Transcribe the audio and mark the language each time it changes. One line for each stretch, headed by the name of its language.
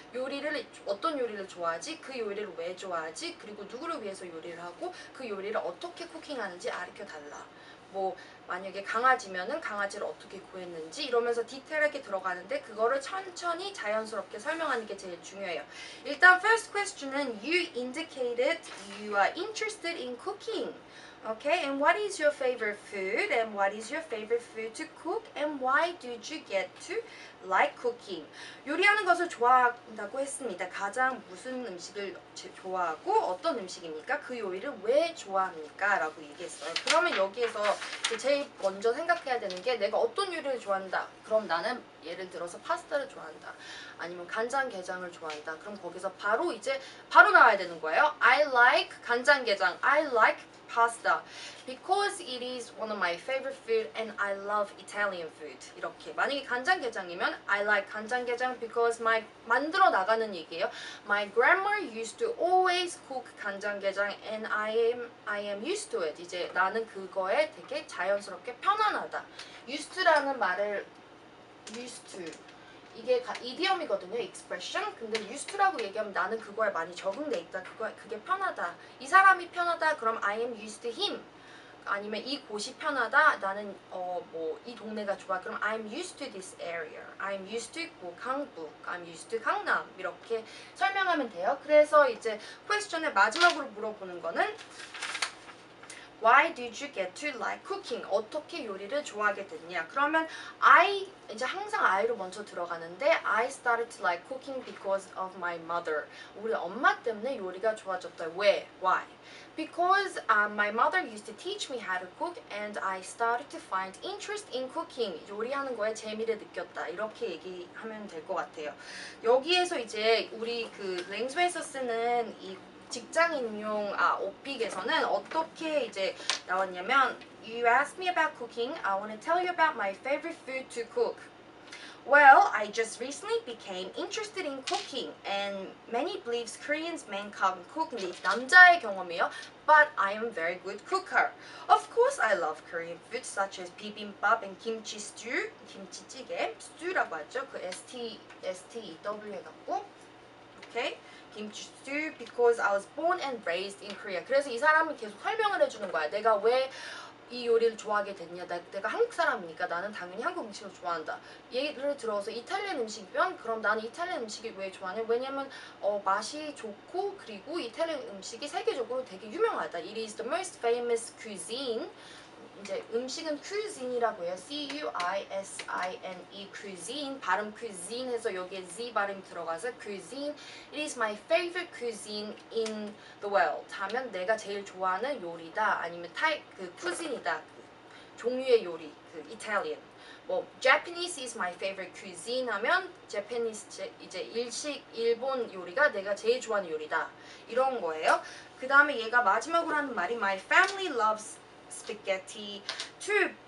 Korean: 요리를 어떤 요리를 좋아하지? 그 요리를 왜 좋아하지? 그리고 누구를 위해서 요리를 하고 그 요리를 어떻게 쿠킹하는지 가르쳐 달라. 뭐 만약에 강아지면은 강아지를 어떻게 구했는지 이러면서 디테일하게 들어가는데 그거를 천천히 자연스럽게 설명하는 게 제일 중요해요.
English: 일단 first question은 you indicated you are interested in cooking. Okay, and what is your favorite food? And what is your favorite food to cook? And why did you get to like cooking?
Korean: 요리하는 것을 좋아한다고 했습니다. 가장 무슨 음식을 좋아하고 어떤 음식입니까? 그 요리를 왜 좋아합니까? 라고 얘기했어요. 그러면 여기에서 제일 먼저 생각해야 되는 게 내가 어떤 요리를 좋아한다? 그럼 나는 예를 들어서 파스타를 좋아한다. 아니면 간장게장을 좋아한다. 그럼 거기서 바로 이제 바로 나와야 되는 거예요.
English: I like 간장게장. I like pasta because it is one of my favorite food and I love Italian food.
Korean: 이렇게 만약에 간장게장이면
English: I like 간장게장 because my
Korean: 만들어 나가는 얘기예요.
English: My grandma used to always cook 간장게장 and I am used to it.
Korean: 이제 나는 그거에 되게 자연스럽게 편안하다. used to라는 말을 used to 이게 idiom이거든요, expression. 근데 used to라고 얘기하면 나는 그거에 많이 적응돼 있다. 그게 편하다. 이 사람이 편하다. 그럼
English: I am used to him.
Korean: 아니면 이 곳이 편하다. 나는 이 동네가 좋아. 그럼
English: I am used to this area. I am used to 뭐 강북. I am used to 강남.
Korean: 이렇게 설명하면 돼요. 그래서 이제 question의 마지막으로 물어보는 거는
English: Why did you get to like cooking?
Korean: 어떻게 요리를 좋아하게 됐냐? 그러면 이제 항상 I로 먼저 들어가는데
English: I started to like cooking because of my mother.
Korean: 우리 엄마 때문에 요리가 좋아졌다. 왜?
English: Why? Because my mother used to teach me how to cook and I started to find interest in cooking.
Korean: 요리하는 거에 재미를 느꼈다. 이렇게 얘기하면 될 것 같아요. 여기에서 이제 우리 그 랭스웨에서 쓰는 이 직장인용 오픽에서는 어떻게 이제 나왔냐면
English: You asked me about cooking. I want to tell you about my favorite food to cook. Well, I just recently became interested in cooking and many believes Koreans men can't cook.
Korean: 근데 남자의 경험이에요.
English: But I am a very good cooker. Of course, I love Korean food such as bibimbap and kimchi stew.
Korean: 김치찌개, stew라고 하죠. 그 S-T-E-W 해갖고 Okay.
English: 김치 stew because I was born and raised in Korea.
Korean: 그래서 이 사람이 계속 설명을 해주는 거야. 내가 왜 이 요리를 좋아하게 됐냐. 내가 한국 사람이니까 나는 당연히 한국 음식을 좋아한다. 예를 들어서 이탈리안 음식이면 그럼 나는 이탈리안 음식이 왜 좋아하냐. 왜냐면 맛이 좋고 그리고 이탈리안 음식이 세계적으로 되게 유명하다.
English: It is the most famous cuisine.
Korean: 이제 음식은 cuisine이라고 해요. C-U-I-S-I-N-E, cuisine. 발음 cuisine 해서 여기에 Z 발음 들어가서 cuisine.
English: It is my favorite cuisine in the world.
Korean: 하면 내가 제일 좋아하는 요리다. 아니면 cuisine이다. 종류의 요리, Italian. 뭐
English: Japanese is my favorite cuisine
Korean: 하면 Japanese 이제 일본 요리가 내가 제일 좋아하는 요리다. 이런 거예요. 그 다음에 얘가 마지막으로 하는 말이
English: My family loves spaghetti too.